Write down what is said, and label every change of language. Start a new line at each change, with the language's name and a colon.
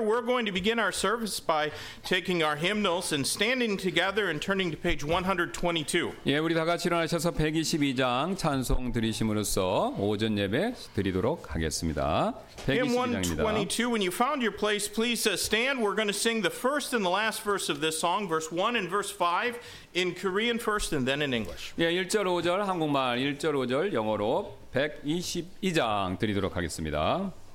English: We're going to begin our service by taking our hymnals and standing together and turning to page 122.
Korean: 예, 우리 다 같이 일어나셔서 122장 찬송 드리심으로써 오전 예배 드리도록 하겠습니다. 122장입니다.
English: Hymn 122. When you found your place, please stand. We're going to sing the first and the last verse of this song, verse 1 and verse 5 in Korean first and then in English.
Korean: 예, 1절 5절 한국말, 1절 5절 영어로 122장 드리도록 하겠습니다.